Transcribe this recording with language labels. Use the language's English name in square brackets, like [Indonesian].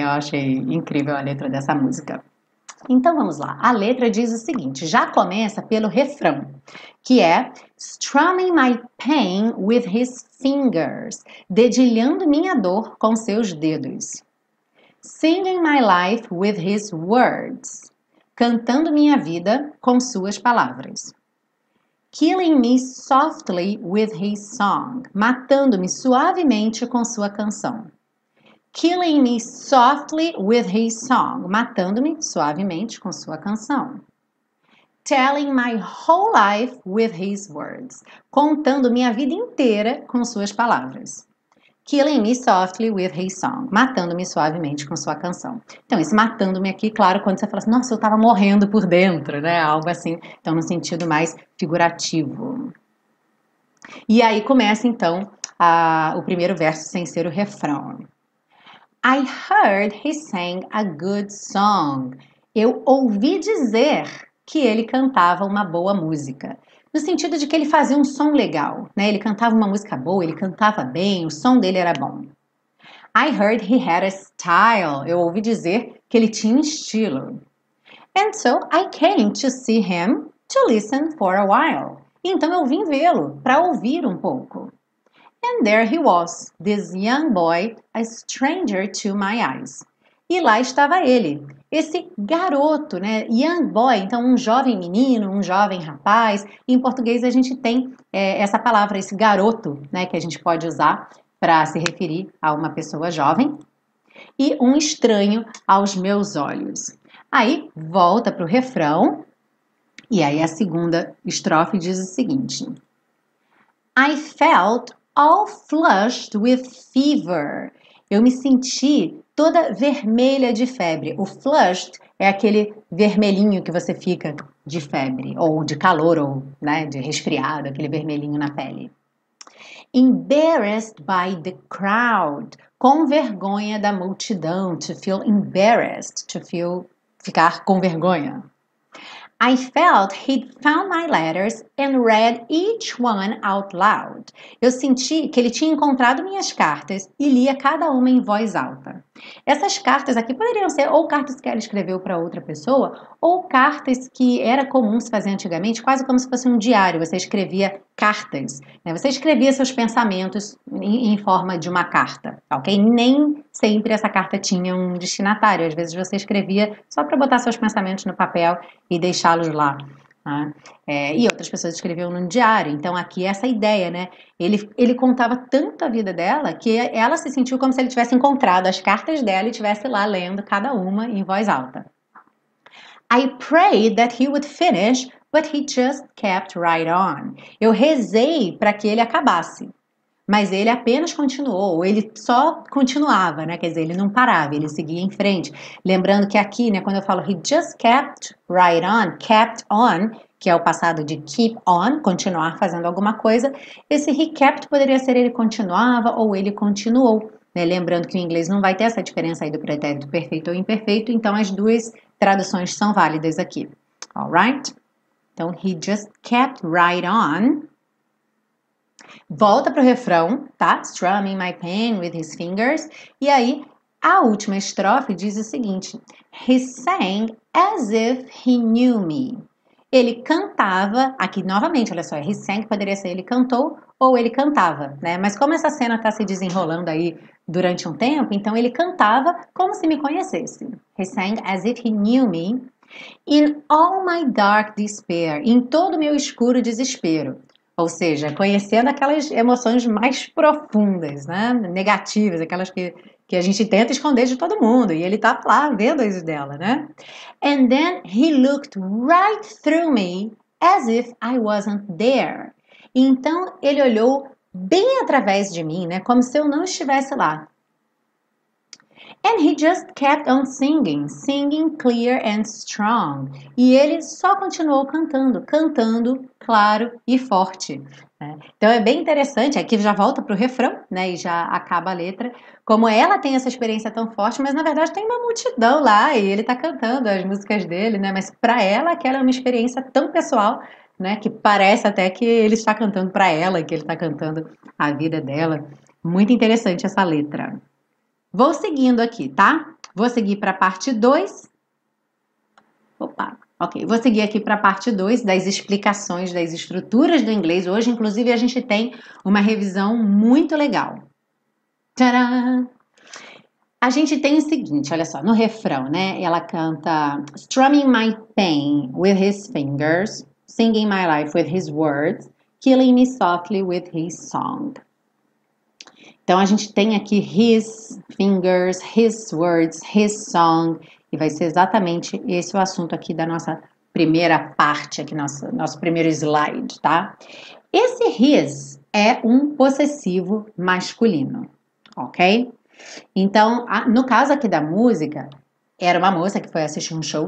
[Portuguese] Eu achei incrível a letra dessa música. Então vamos lá, a letra diz o seguinte, já começa pelo refrão, que é [English] strumming my pain with his fingers, [Portuguese] dedilhando minha dor com seus dedos, [English] singing my life with his words, [Portuguese] cantando minha vida com suas palavras, [English] killing me softly with his song, [Portuguese] matando-me suavemente com sua canção. [English] Killing me softly with his song. [Portuguese] Matando-me suavemente com sua canção. [English] Telling my whole life with his words. [Portuguese] Contando minha vida inteira com suas palavras. [English] Killing me softly with his song. [Portuguese] Matando-me suavemente com sua canção. Então, esse matando-me aqui, claro, quando você fala assim, nossa, eu tava morrendo por dentro, né? Algo assim, então, no sentido mais figurativo. E aí começa, então, o primeiro verso sem ser o refrão. [English] I heard he sang a good song. [Portuguese] Eu ouvi dizer que ele cantava uma boa música. No sentido de que ele fazia um som legal, né? Ele cantava uma música boa, ele cantava bem, o som dele era bom. [English] I heard he had a style. [Portuguese] Eu ouvi dizer que ele tinha um estilo. [English] And so I came to see him to listen for a while. [Portuguese] Então eu vim vê-lo para ouvir um pouco. [English] And there he was, this young boy, a stranger to my eyes. [Portuguese] E lá estava ele, esse garoto, né? [English] Young boy, [Portuguese] então um jovem menino, um jovem rapaz. Em português a gente tem essa palavra, esse garoto, né? Que a gente pode usar para se referir a uma pessoa jovem. E um estranho aos meus olhos. Aí volta para o refrão. E aí a segunda estrofe diz o seguinte. [English] I felt... all flushed with fever. [Portuguese] Eu me senti toda vermelha de febre. O flushed é aquele vermelhinho que você fica de febre, ou de calor, ou né, de resfriado, aquele vermelhinho na pele. [English] Embarrassed by the crowd. [Portuguese] Com vergonha da multidão. [English] To feel embarrassed. To feel [Portuguese] ficar com vergonha. [English] I felt he'd found my letters and read each one out loud. [Portuguese] Eu senti que ele tinha encontrado minhas cartas e lia cada uma em voz alta. Essas cartas aqui poderiam ser ou cartas que ela escreveu para outra pessoa, ou cartas que era comum se fazer antigamente, quase como se fosse um diário. Você escrevia cartas, né? Você escrevia seus pensamentos em forma de uma carta, ok? Nem sempre essa carta tinha um destinatário. Às vezes você escrevia só para botar seus pensamentos no papel e deixá-los lá. Ah, e outras pessoas escreviam num diário. Então, aqui, essa ideia, né? Ele contava tanto a vida dela que ela se sentiu como se ele tivesse encontrado as cartas dela e estivesse lá lendo cada uma em voz alta. [English] I prayed that he would finish, but he just kept right on. [Portuguese] Eu rezei para que ele acabasse, mas ele apenas continuou. Ele só continuava, né? Quer dizer, ele não parava, ele seguia em frente. Lembrando que aqui, né, quando eu falo [English] he just kept right on, kept on, [Portuguese] que é o passado de [English] keep on, [Portuguese] continuar fazendo alguma coisa, esse [English] he kept [Portuguese] poderia ser ele continuava ou ele continuou, né? Lembrando que o inglês não vai ter essa diferença aí do pretérito perfeito ou imperfeito, então as duas traduções são válidas aqui. [English] All right? [Portuguese] Então, [English] he just kept right on. [Portuguese] Volta para o refrão, tá? [English] Strumming my pen with his fingers. [Portuguese] E aí, a última estrofe diz o seguinte. [English] He sang as if he knew me. [Portuguese] Ele cantava, aqui novamente, olha só. [English] He sang [Portuguese] poderia ser ele cantou ou ele cantava, né? Mas como essa cena está se desenrolando aí durante um tempo, então ele cantava como se me conhecesse. [English] He sang as if he knew me. In all my dark despair, [Portuguese] em todo meu escuro desespero, ou seja, conhecendo aquelas emoções mais profundas, né? Negativas, aquelas que a gente tenta esconder de todo mundo, e ele tá lá vendo isso dela, né? [English] And then he looked right through me as if I wasn't there. [Portuguese] Então ele olhou bem através de mim, né? Como se eu não estivesse lá. [English] And he just kept on singing, singing clear and strong. [Portuguese] E ele só continuou cantando, cantando claro e forte. Né? Então é bem interessante, aqui já volta para o refrão, né? E já acaba a letra. Como ela tem essa experiência tão forte, mas na verdade tem uma multidão lá e ele está cantando as músicas dele, né? Mas para ela, aquela é uma experiência tão pessoal, né? Que parece até que ele está cantando para ela, que ele está cantando a vida dela. Muito interessante essa letra. Vou seguindo aqui, tá? Vou seguir para a parte 2. Opa, ok. Vou seguir aqui para a parte 2 das explicações das estruturas do inglês. Hoje, inclusive, a gente tem uma revisão muito legal. Tcharam! A gente tem o seguinte, olha só, no refrão, né? Ela canta [English] strumming my pain with his fingers, singing my life with his words, killing me softly with his song. [Portuguese] Então, a gente tem aqui his fingers, his words, his song. E vai ser exatamente esse o assunto aqui da nossa primeira parte, aqui nosso primeiro slide, tá? Esse his é um possessivo masculino, ok? Então, no caso aqui da música, era uma moça que foi assistir um show.